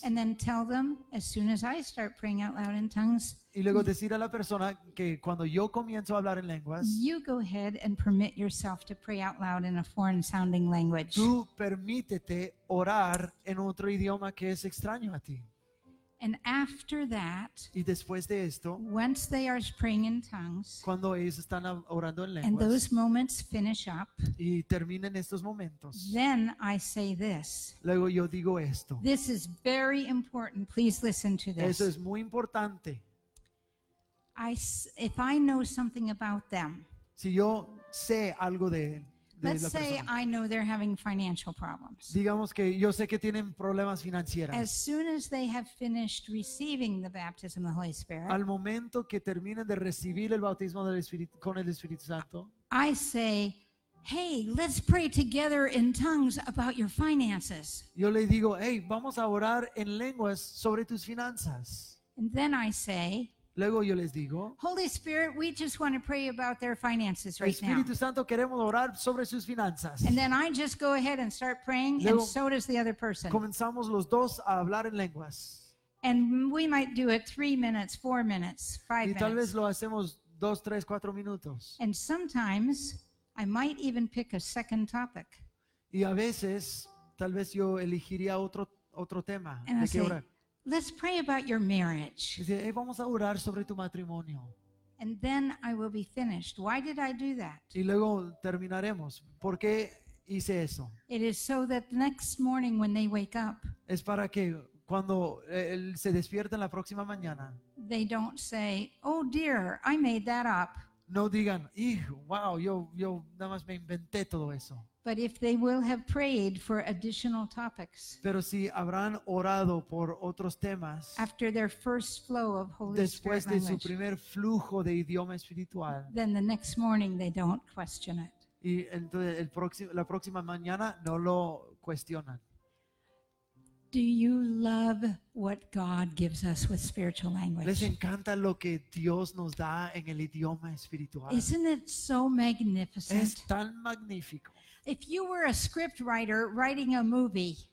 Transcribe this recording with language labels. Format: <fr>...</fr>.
<en>And then tell them as soon as I start praying out loud in tongues.</en> <es>Y luego decir a la persona que cuando yo comienzo a hablar en lenguas,</es> <en>you go ahead and permit yourself to pray out loud in a foreign sounding language.</en> <es>Tú permítete orar en otro idioma que es extraño a ti.</es> <en>And after that,</en> <es>y después de esto,</es> <en>once they are praying in tongues,</en> <es>cuando ellos están orando en lenguas,</es> <en>and those moments finish up,</en> <es>y terminan estos momentos,</es> <en>then I say this.</en> <es>Luego yo digo esto.</es> <en>This is very important. Please listen to this.</en> <es>Eso es muy importante.</es> <en>If I know something about them,</en> <es>si yo sé algo de</es> <en>I know they're having financial problems.</en> <es>Digamos que yo sé que tienen problemas financieros.</es> <en>As soon as they have finished receiving the baptism of the Holy Spirit,</en> <es>al momento que terminen de recibir el bautismo del Espíritu, con el Espíritu Santo,</es> <en>I say, hey, let's pray together in tongues about your finances.</en> <es>Yo le digo, hey, vamos a orar en lenguas sobre tus finanzas.</es> <en>And then I say,</en> <es>luego yo les digo,</es> <en>Holy Spirit, we just want to pray about their finances right</en> <es>Espíritu</es> <en>now.</en> <es>Espíritu Santo, queremos orar sobre sus finanzas.</es> <en>And then I just go ahead and start praying,</en> <es>luego,</es> <en>and so does the other person.</en> <es>Comenzamos los dos a hablar en lenguas.</es> <en>And we might do it 3 minutes, 4 minutes, 5 minutes.</en> <es>Y tal vez lo hacemos 2, 3, 4 minutos.</es> <en>And sometimes I might even pick a second topic.</en> <es>Y a veces, tal vez yo elegiría otro tema.</es> <en>And</en> <es>de qué orar.</es> <en>Let's pray about your marriage.</en> <es>Hey, vamos a orar sobre tu matrimonio.</es> <en>And then I will be finished. Why did I do that?</en> <es>Y luego terminaremos. ¿Por qué hice eso?</es> <en>It is so that the next morning when they wake up,</en> <es>es para que cuando él se despierta en la próxima mañana,</es> <en>they don't say, oh dear, I made that up.</en> <es>No digan, wow, yo nada más me inventé todo eso.</es> <en>But if they will have prayed for additional topics,</en> <es>pero si habrán orado por otros temas,</es> <en>after their first flow of Holy</en> <es>después</es> <en>Spirit</en> <es>de</es> <en>language,</en> <es>su primer flujo de idioma espiritual,</es> <en>then the next morning they don't question it.</en> <es>Y entonces la próxima mañana no lo cuestionan.</es> <en>Do you love what God gives us with spiritual language?</en> <es>¿Les encanta lo que Dios nos da en el idioma espiritual?</es> <en>Isn't it so magnificent?</en> <es>Es tan magnífico.</es> <en>If you were a script writer writing a movie,</en>